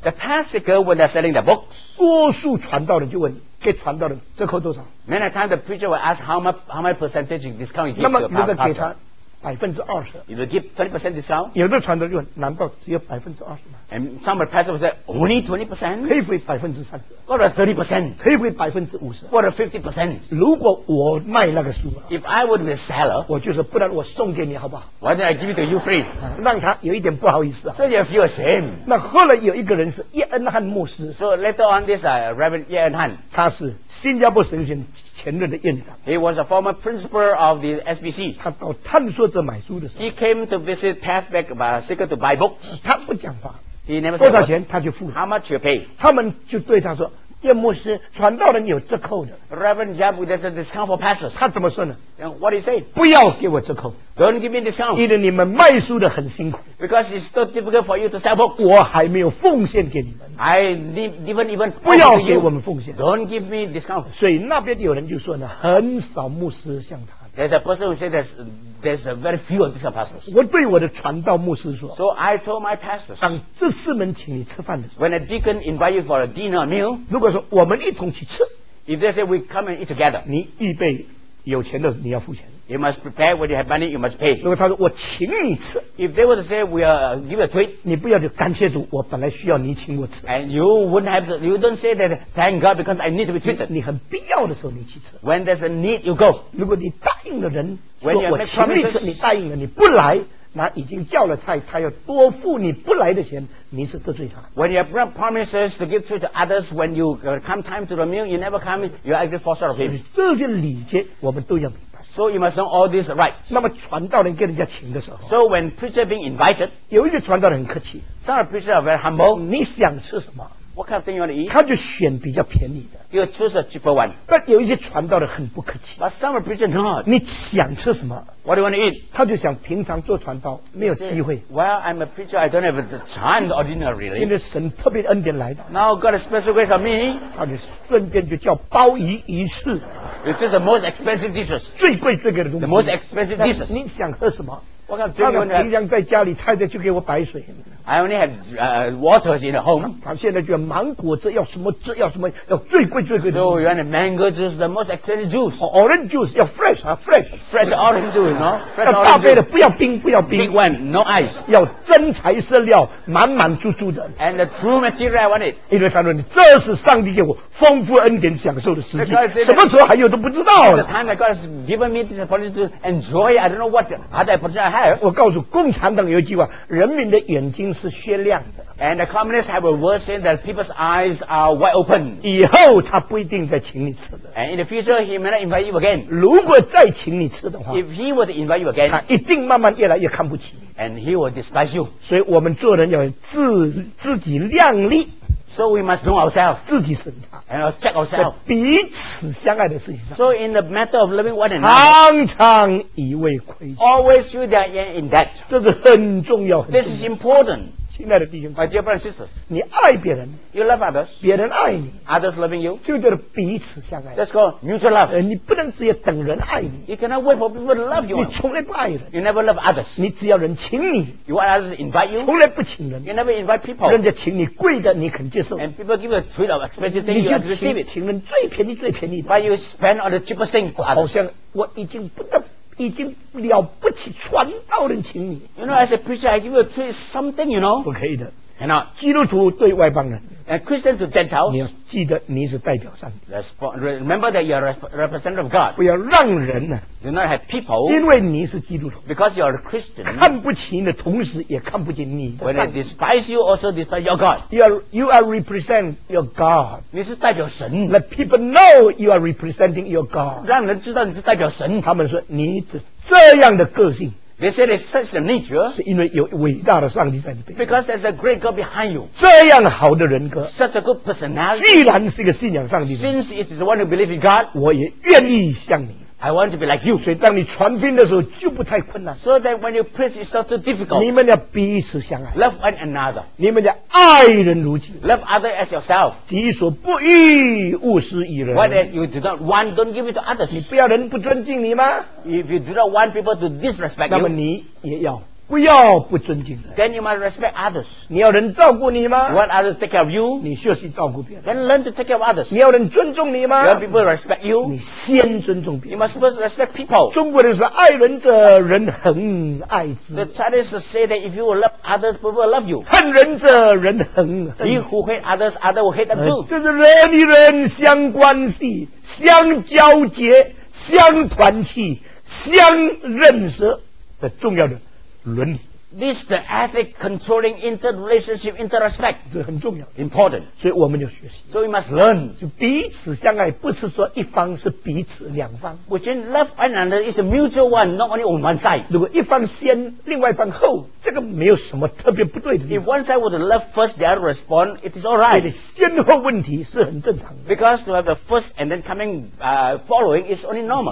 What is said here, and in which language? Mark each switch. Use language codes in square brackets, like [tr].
[en] The path seeker when they're selling the books. [zh] 多数传道人就问给传道人折扣多少。 [en] Many times the preacher will ask how much percentage discount you give to the pastor. [zh] 那么如果给他。 20%, [en] you will give 20% discount. [zh] 有的传道就问，难道只有20%吗？ [en] And some of the pastors will say only 20%. [zh] 可以不可以30%？ [en] What about 30%？ [zh] 可以不可以50%？ [en] What about 50%？ [zh] 如果我卖那个书， [en] If I would be a seller, [zh] 我就是不然我送给你好不好？ [en] Why don't I give it to you free？ [zh] 让他有一点不好意思啊。 [en] So you feel ashamed. [zh] 那后来有一个人是叶恩汉牧师。 [en] So later on this Reverend 叶恩汉， [zh] 他是新加坡神学院前任的院长。 [en] He was a former principal of the SBC. [zh] 他到探索者买书的时候 [en] ，He came to visit Pathback Seeker to buy books. [zh] 他不讲话 [en] ，He never [zh] 多少钱他就付。 [en] How much you pay？ [zh] 他们就对他说，叶牧师，传道人有折扣的。 [en] Reverend Yap, there's a discount for pastors. [zh] 他怎么说呢 [en] ？What he say？ [zh] 不要给我折扣。 [en] Don't give me discount. [zh] 因为你们卖书的很辛苦。 [en] Because it's so difficult for you to sell books. [zh] 我还没有奉献给你们。 [en] I didn't even [zh] 不要给我们奉献。 [en] Don't give me discount. [zh] 所以那边有人就说呢，很少牧师像他。 [en] There's a person who said there's a very few of these pastors. [zh] 我对我的传道牧师说。 [en] So I told my pastors. [zh] 当这四门请你吃饭的时候。 [en] When a deacon invite you for a dinner meal. [zh] 如果说我们一同去吃。 [en] If they say we come and eat together. [zh] 你预备有钱的你要付钱。 [en] You must prepare when you have money, you must pay. [zh] 如果他说我请你吃。 [en] If they were to say, we are give a treat. [zh] 你不要就感谢主，我本来需要你请我吃。 [en] And you wouldn't have to, you don't say that, thank God, because I need to be treated. [zh] 你很必要的时候你去吃。 [en] When there's a need, you go. [zh] 如果你答应了人，说我请你吃，你答应了，你不来，那已经叫了菜，他要多付你不来的钱，你是得罪他。 [en] When you have promises to give treat to others, when you come time to the meal, you never come, you are actually forced out of him. [zh] 这些礼节我们都要。 [en] So you must know all these rights. [zh] 那么传道人跟人家请的时候 [en] ，So when preacher being invited, [zh] 有一些传道人很客气 [en] ，Some preacher are very humble. [zh] 你想吃什么 [en] ？What kind of thing you want to eat? [zh] 他就选比较便宜的 [en] ，You choose a cheaper one. [zh] 但有一些传道人很不客气 [en] ，But some preacher not. [zh] 你想吃什么 [en] ？What do you want to eat? [zh] 他就想平常做传道没有机会 [en] ，Well, I'm a preacher. I don't have the time ordinarily. [zh] 因为神特别恩典来的 [en] ，Now God has special grace on me. [zh] 他就顺便就叫鲍鱼一次。 [en] It's just the most expensive dishes. [zh] 最贵最贵的东西。 [en] The most expensive dishes. [zh] 你想喝什么？我刚刚平常在家里菜菜就给我摆水。 [en] I only had water in the home. [zh] 他现在就芒果汁，要什么汁？要什么？要最贵最贵的。 [en] So you want mango juice, the most expensive juice. Or orange juice, [zh] 要 [en] fresh, fresh. Fresh orange juice, no? Fresh orange juice. [zh] 要大杯的，不要冰，不要冰。 [en] Big one, no ice. [zh] 要真材实料，满满足足的。 [en] And the true material, I want it. [zh] 因为他说你这是上帝给我丰富恩典享受的时机，什么时候还有都不知道。 [en] The time that God has given me this opportunity to enjoy, I don't know what other opportunity I have. [zh] 我告诉共产党有一句话，人民的眼睛。是雪亮的 [en] and the communists have a word saying that people's eyes are wide open [zh] 以后他不一定再请你吃的 [en] and in the future he may not invite you again [zh] 如果再请你吃的话 [en] if he were to invite you again [zh] 他一定慢慢越来越看不起 [en] and he will despise you [zh] 所以我们做人要自己量力 [en] so we must know ourselves [zh] 自己审查 [en] and check ourselves [zh] 在彼此相爱的事情上 [en] so in the matter of loving one another [zh] 常常以为亏欠 [en] always you that in debt [zh] 这是很重要很重要 [en] this is important [zh] 亲爱的弟兄 [en] My dear brothers and sisters [zh] 你爱别人 [en] You love others [zh] 别人爱你 [en] Others loving you [zh] 就叫彼此相爱 [en] That's called mutual love [zh] 你不能只有等人爱你 [en] You cannot wait for people to love you [zh] 你从来不爱人 [en] You never love others [zh] 你只要人请你 [en] You want others to invite you [zh] 从来不请人 [en] You never invite people [zh] 人家请你贵的你肯接受 [en] And people give you a treat of expensive thing you have to receive it [zh] 请人最便宜最便宜的 [en] But you spend on the cheapest thing for others [zh] 好像我已经了不起传道人请你 [en] You know as a preacher I give you a treat something you know [zh] 不可以的 [en] you know, [zh] 基督徒对外邦人 [en] and Christians to Gentiles, [zh] 你要记得你是代表上帝。 [en] Remember that you are representative of God. [zh] 不要让人呢、啊、 [en] ，do not have people. [zh] 因为你是基督徒 [en] ，because you are a Christian. [zh] 看不起你的同时，也看不起你的。 [en] When they despise you, also despise your God. You are represent your God. [zh] 你是代表神。 [en] Let people know you are representing your God. [zh] 让人知道你是代表神。他们说你这样的个性。 [en] They say it's such a nature. [zh] 是因为有伟大的上帝在你背后。 [en] Because there's a great God behind you. [zh] 这样好的人格。 [en] Such a good personality. [zh] 既然是一个信仰上帝的。 [en] Since it is the one who believes in God. [zh] 我也愿意像你。 [en] I want to be like you. [zh] 所以当你传福音的时候就不太困难。 [en] So that when you preach it's not too difficult. [zh] 你们要彼此相爱。 [en] Love one another. [zh] 你们要爱人如己。 [en] Love others as yourself. [zh] 己所不欲，勿施于人。 [en] What you do not want, don't give it to others. [zh] 你不要人不尊敬你吗？ [en] If you do not want people to disrespect you. [zh] 那么你也要。不要不尊敬人。 [en] Then you must respect others. [zh] 你要人照顾你吗？ [en] Want others to take care of you? [zh] 你学习照顾别人。 [en] Then learn to take care of others. [zh] 你要人尊重你吗？ [en] Want people respect you? [zh] 你先尊重别人。 [en] You must first respect people. [zh] 中国人说爱人者人恒爱之。 [en] The Chinese say that if you will love others, people will love you. [zh] 恨人者人恒。 [en] He who hate others, others will hate them too. [zh] 这是人与人相关系，相交结，相团契，相认识的重要的。伦理 [en] This is the ethic controlling interrelationship, interrespect. [zh] 这很重要 [en] Important. [zh] 所以我们要学习 [en] So we must learn. [zh] 就彼此相爱不是说一方是彼此两方 [en] Which in love and another is a mutual one, not only on one side. [zh] 如果一方先另外一方后这个没有什么特别不对的 [en] If one side would love first, the other respond, it is alright. [zh] 所以先后问题是很正常的 [en] Because to have the first and then coming, following is only normal.